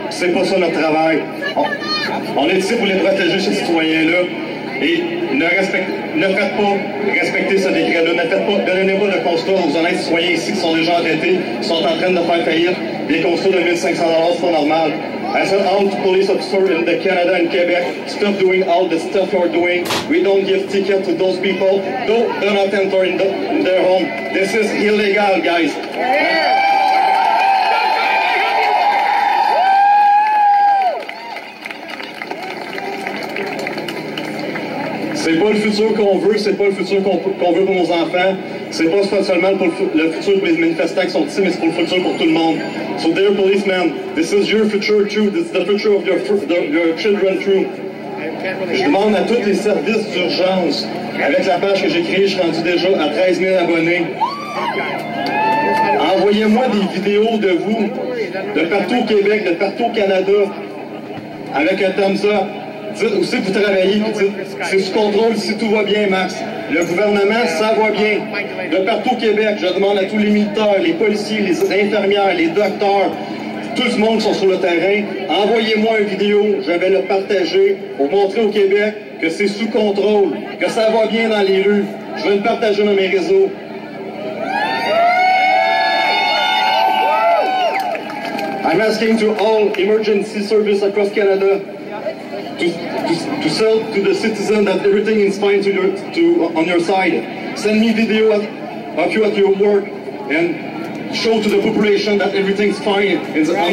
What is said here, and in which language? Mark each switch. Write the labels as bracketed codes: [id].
[fr] C'est pas ça notre travail. On est ici pour les protéger, ces citoyens-là. Et ne faites pas respecter ce décret-là. Ne faites pas, donnez pas de constat aux honnêtes citoyens ici qui sont déjà endettés, qui sont en train de faire faillir des constats de 1 500 $, c'est pas normal. [en] As an armed police officer in the Canada and Quebec, stop doing all the stuff you're doing. We don't give tickets to those people. Do not enter in their home. This is illegal, guys. [fr] C'est pas le futur qu'on veut, c'est pas le futur qu'on veut pour nos enfants. C'est pas seulement pour le futur pour les manifestants qui sont ici, mais c'est pour le futur pour tout le monde. [en] So dear policemen, this is your future too, this is the future of your children too. [fr] Je demande à tous les services d'urgence, avec la page que j'ai créée, je suis rendu déjà à 13 000 abonnés. Envoyez-moi des vidéos de vous, de partout au Québec, de partout au Canada, avec un thumbs up. Dites où c'est que vous travaillez, dites, c'est sous contrôle si tout va bien, Max. Le gouvernement, ça va bien. De partout au Québec, je demande à tous les militaires, les policiers, les infirmières, les docteurs, tout le monde qui sont sur le terrain, envoyez-moi une vidéo, je vais le partager pour montrer au Québec que c'est sous contrôle, que ça va bien dans les rues. Je vais le partager dans mes réseaux. [en] I'm asking to all emergency services across Canada, to sell to the citizen that everything is fine on your side. Send me video of you at your work and show to the population that everything's fine and it's right.